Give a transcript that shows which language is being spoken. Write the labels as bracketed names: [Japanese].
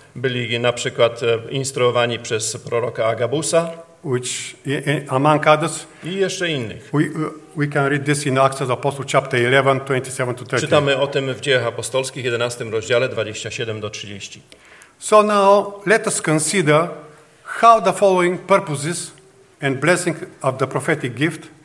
[Polish] Byli na przykład instruowani przez proroka Agabusa, [English] which among others, [Polish] i jeszcze innych. [English] We can read this in Acts of the Apostles chapter 11, 27-30. [Polish] Czytamy o tym w Dziejach Apostolskich 11 rozdziale 27-30. [English] So now let us consider how the following purposes and blessing of the prophetic gift.